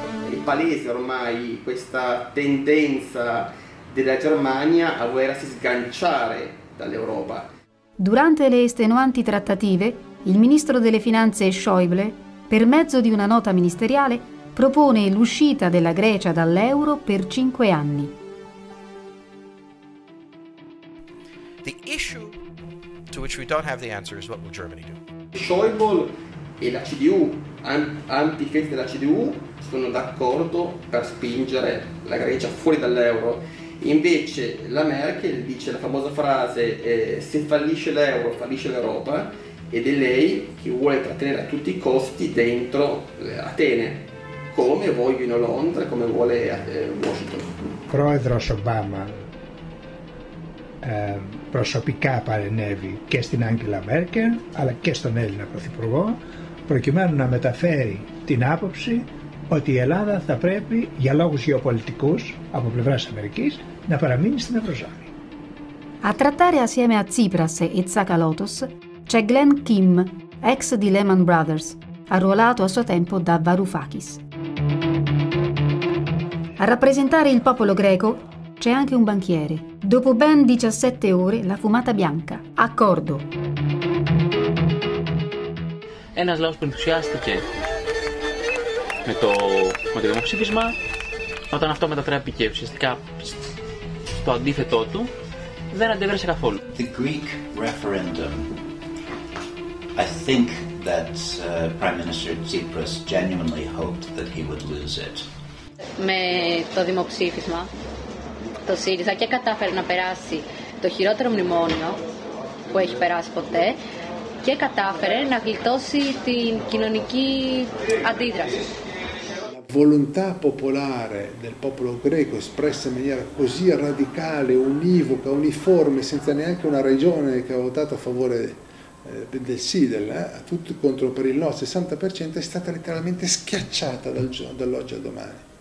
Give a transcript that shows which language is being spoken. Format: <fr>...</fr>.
<it>È palese ormai questa tendenza della Germania a volersi sganciare dall'Europa. Durante le estenuanti trattative, il ministro delle finanze Schäuble, per mezzo di una nota ministeriale, propone l'uscita della Grecia dall'euro per 5 anni.</it> <en>The issue to which we don't have the answer is what will Germany do?</en> <it>Schäuble e la CDU, antichi della CDU, sono d'accordo per spingere la Grecia fuori dall'euro. Invece la Merkel dice la famosa frase se fallisce l'euro, fallisce l'Europa, ed è lei che vuole trattenere a tutti i costi dentro Atene. Come vogliono Londra, come vuole Washington.</it> <el>Πρόεδρος Ομπάμα προσωπικά παρενεύει και στην Άγγελα Μέρκελ, αλλά και στον Έλληνα Πρωθυπουργό, προκειμένου να μεταφέρει την άποψη ότι η Ελλάδα θα πρέπει, για λόγους γεωπολιτικούς από πλευράς Αμερικής, να παραμείνει στην Ευρωζώνη.</el> <it>A trattare assieme a Tsipras e Tsakalotos c'è Glenn Kim, ex di Lehman Brothers, arruolato a suo tempo da Varoufakis. A rappresentare il popolo greco c'è anche un banchiere. Dopo ben 17 ore, la fumata bianca. Accordo.</it> <el>Ένας λαός που ενθουσιάστηκε με το δημοψήφισμα, όταν αυτό μετατράπηκε ουσιαστικά στο αντίθετό του, δεν αντέδρασε καθόλου.</el> <en>The Greek referendum. I think that Prime Minister Tsipras genuinely hoped that he would lose it.</en> <el>Με το δημοψήφισμα, το ΣΥΡΙΖΑ και κατάφερε να περάσει το χειρότερο μνημόνιο που έχει περάσει ποτέ και κατάφερε να γλιτώσει την κοινωνική αντίδραση.</el> <it>La volontà popolare del popolo greco espressa in maniera così radicale, univoca, uniforme, senza neanche una regione che ha votato a favore del sì, a tutti contro per il no, 60%, è stata letteralmente schiacciata dall'oggi al domani.</it>